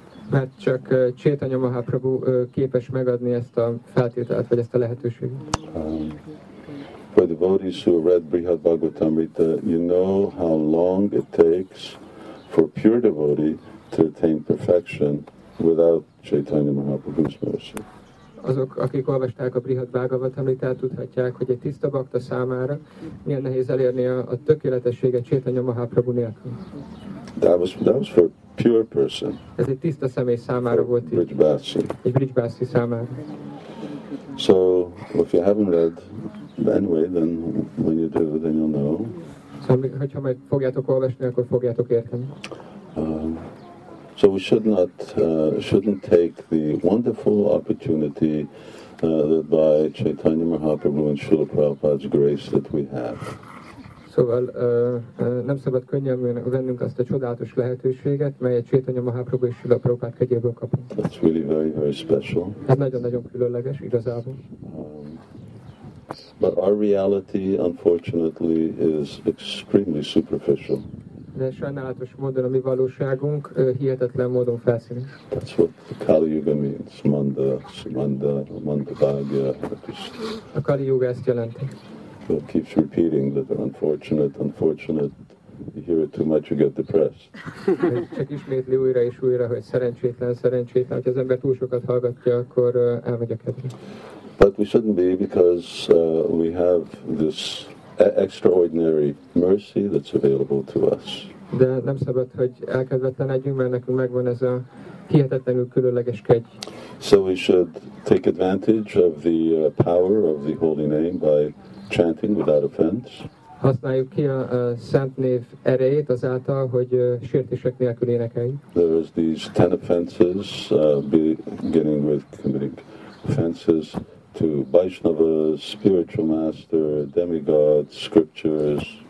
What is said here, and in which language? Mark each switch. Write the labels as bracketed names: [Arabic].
[Hungarian] Mert csak Chaitanya Mahaprabhu képes megadni ezt a feltételt, vagy ezt a lehetőséget. [English] For devotees who read Brihad Bhagavatamrita, you know how long it takes for pure devotee to attain perfection without Chaitanya Mahaprabhu's mercy. [Hungarian] Azok, akik olvasták a Brihad Bhagavatamritát, tudhatják, hogy egy tiszta bhakta számára milyen nehéz elérni a tökéletességet Chaitanya Mahaprabhu nélkül. [English] That was for pure person. [Hungarian] Ez egy tiszta személy számára volt itt. [English] Brijbhasi. [Hungarian] Egy Brijbhasi számára. [English] So, if you haven't read, anyway, then when you do, then you'll know. [Hungarian] So, hogyha majd fogjátok olvasni, akkor fogjátok érteni. [English] So we shouldn't take the wonderful opportunity that by Chaitanya Mahaprabhu and Srila Prabhupada's grace that we have. [Hungarian] Szóval nem szabad könnyelműen vennünk azt a csodálatos lehetőséget, melyet Chaitanya Mahaprabhu és Srila Prabhupada kegyéből kapunk. [English] That's really very, very special. [Hungarian] Ez nagyon-nagyon különleges, igazából. [English] But our reality, unfortunately, is extremely superficial. [Hungarian] De sajnálatos módon a mi valóságunk hihetetlen módon felszínű. [English] That's what the Kali Yuga means. [Sanskrit] Manda, Sumanda, Manda Bhagya. [Hungarian] A Kali Yuga ezt jelenti. [English] It keeps repeating that they're unfortunate. You hear it too much, you get depressed. [Hungarian] Csak ismétli újra és újra, hogy szerencsétlen. Hogy az ember túl sokat hallgatja, akkor elmegy a kedve. [English] But we shouldn't be, because we have this extraordinary mercy that's available to us. [Hungarian] De nem szabad, hogy elkedvetlen legyünk, mert nekünk megvan ez a hihetetlenül különleges kegy. [English] So we should take advantage of the power of the holy name by chanting without offense. [Hungarian] Használjuk ki a szent név erejét azáltal, hogy sértések nélkül énekeljük. [English] There is these 10 offenses, beginning with committing offenses to Vaishnavas, spiritual master, demigods, scriptures.